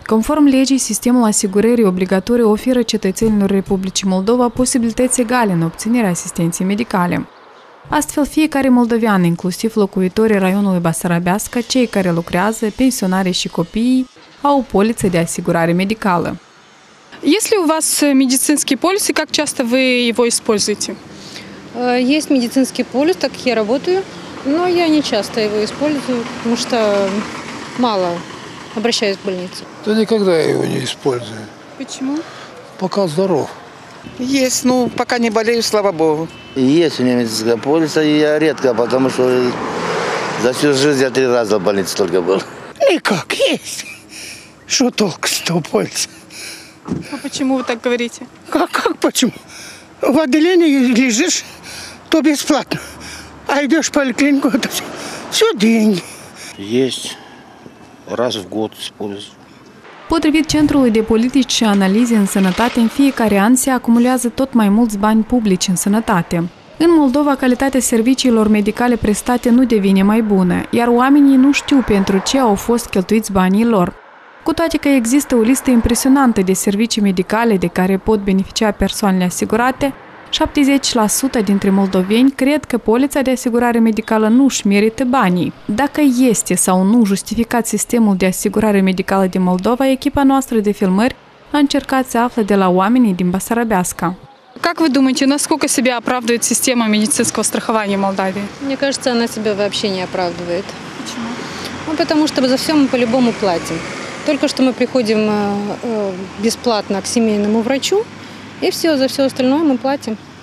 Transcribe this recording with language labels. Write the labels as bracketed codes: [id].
[ro] Conform legii, sistemul asigurării obligatorii oferă cetățenilor Republicii Moldova posibilități egale în obținerea asistenței medicale. Astfel, fiecare moldovean, inclusiv locuitorii raionului Basarabeasca, cei care lucrează, pensionarii și copiii, au o poliță de asigurare medicală. [ru] Este у вас медицинский полис и как часто вы его используете? Есть медицинский полис, так как я работаю, но я не часто его использую, потому что мало обращаюсь в больницу. Да никогда я его не использую. Почему? Пока здоров. Есть, ну, пока не болею, слава богу. Есть у меня медицинская полис, и я редко, потому что за всю жизнь я 3 раза в больнице только был. Никак, есть. Что толку с этого полиса? А почему вы так говорите? Как почему? В отделении лежишь, то бесплатно. А идешь в поликлинику, то все деньги. Есть. Раз в год использую. [ro] Potrivit Centrului de Politici și Analize în Sănătate, în fiecare an se acumulează tot mai mulți bani publici în sănătate. În Moldova, calitatea serviciilor medicale prestate nu devine mai bună, iar oamenii nu știu pentru ce au fost cheltuiți banii lor. Cu toate că există o listă impresionantă de servicii medicale de care pot beneficia persoanele asigurate, 70% dintre moldoveni cred că polița de asigurare medicală nu își merită banii. Dacă este sau nu justificat sistemul de asigurare medicală din Moldova, echipa noastră de filmări a încercat să afle de la oamenii din Basarabeasca. [ru] Как вы думаете, насколько себя оправдывает система медицинского страхования в Молдавии? Мне кажется, она себя вообще не оправдывает. Почему? Ну, потому что за все мы по-любому платим. Только что мы приходим бесплатно к семейному врачу, и все, за все остальное мы платим.